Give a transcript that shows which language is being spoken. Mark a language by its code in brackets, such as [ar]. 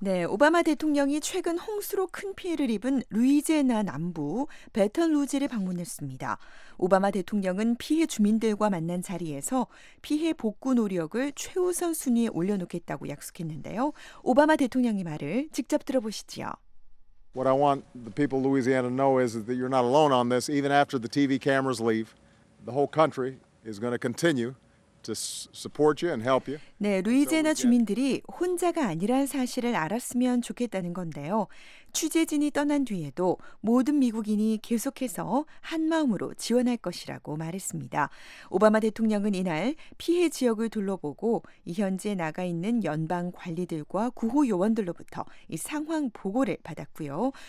[ko] 네, 오바마 대통령이 최근 홍수로 큰 피해를 입은 루이지애나 남부 베턴루지를 방문했습니다. 오바마 대통령은 피해 주민들과 만난 자리에서 피해 복구 노력을 최우선 순위에 올려놓겠다고 약속했는데요. 오바마 대통령의 말을 직접 들어보시죠. [en] What I want the people of Louisiana to know is that you're not alone on this. Even after the TV cameras leave, the whole country is going to continue to support you and help you. [ko] 네, 루이지애나 주민들이 혼자가 아니라는 사실을 알았으면 좋겠다는 건데요. 취재진이 떠난 뒤에도 모든 미국인이 계속해서 한 마음으로 지원할 것이라고 말했습니다. 오바마 대통령은 이날 피해 지역을 둘러보고 현지에 나가 있는 연방 관리들과 구호 요원들로부터 이 상황 보고를 받았고요.